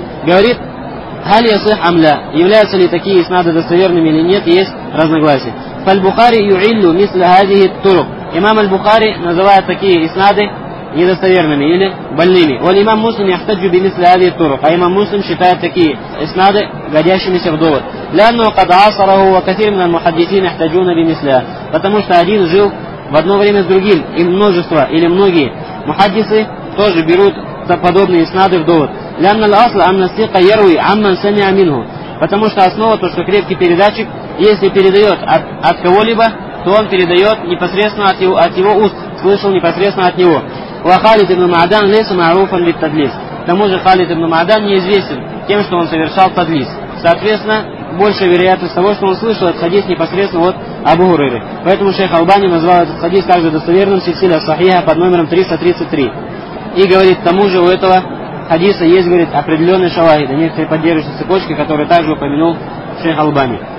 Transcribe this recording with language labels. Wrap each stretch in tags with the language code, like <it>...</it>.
<ru>Говорит,</ru> <ar>«Хали ясых амля»,</ar> <ru>являются ли такие иснады достоверными или нет, есть разногласие.</ru> <ar>«Фальбухари юиллю мисля азихи турук».</ar> <ru>Имам Аль-Бухари называет такие иснады недостоверными или больными.</ru> <ar>«Валь имам муслим яхтаджу би мисля азихи турук».</ar> <ru>А имам муслим считает такие иснады годящимися в довод.</ru> <ar>لأنه قد عاصره وكثير من المحدثين يحتجون بمثله.</ar> <ru>Потому что один жил в одно время с другим, и множество или многие мухаддисы тоже берут за подобные иснады в довод.</ru> <ar>لأن الأصل أن الثقة يروي عمن سمع منه.</ar> <ru>Потому что основа то, что крепкий передатчик, если передает от кого-либо, то он передает непосредственно от его уст, слышал непосредственно от него.</ru> <ar>وخالد بن معدان ليس معروفا بالتدليس.</ar> <ru>К тому же Халид ибн Маадан неизвестен тем, что он совершал тадлис. Соответственно, большая вероятность того, что он слышал этот хадис непосредственно от Абу Хурейры. Поэтому шейх Албани назвал этот хадис также достоверным силсиля сахиха под номером 333. И говорит, к тому же у этого хадиса есть, говорит, определенные шавахиды, некоторые поддерживающие цепочки, которые также упомянул шейх Албани.</ru>